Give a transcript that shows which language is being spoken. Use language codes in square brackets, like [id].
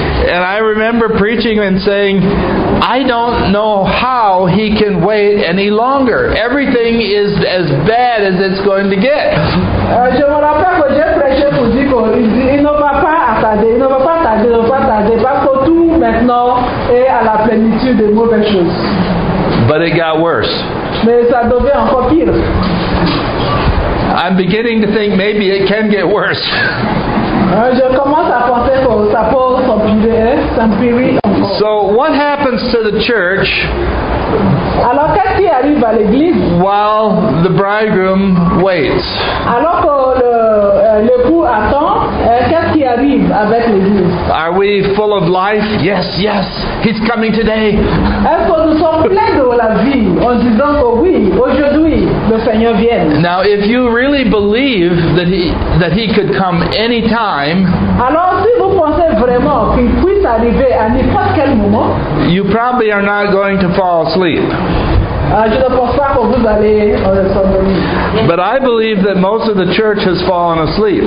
[en] And I remember preaching and saying, I don't know how he can wait any longer. Everything is as bad as it's going to get. [fr] Je me rappelle que j'ai prêché pour dire qu'il ne va pas attarder, parce que tout maintenant est à la plénitude des mauvaises choses. [en] But it got worse. [fr] Mais ça devient encore pire. [en] I'm beginning to think maybe it can get worse. [fr] Je commence à penser que ça peut s'empirer encore. [en] So what happens to the church [fr] Alors qu'est-ce qui arrive à l'église? [en] While the bridegroom waits. [fr] Alors que l'époux attend, qu'est-ce qui arrive avec l'église? [en] Are we full of life? Yes, yes, he's coming today. [fr] Est-ce que nous sommes pleins de la vie en disant que oui, aujourd'hui le Seigneur vient? [en] Now, if you really believe that he could come any time. [fr] Alors si vous pensez vraiment qu'il puisse arriver à n'importe quel moment, [en] you probably are not going to fall asleep. [fr] Je ne pense pas que vous allez s'endormir. [en] But I believe that most of the church has fallen asleep.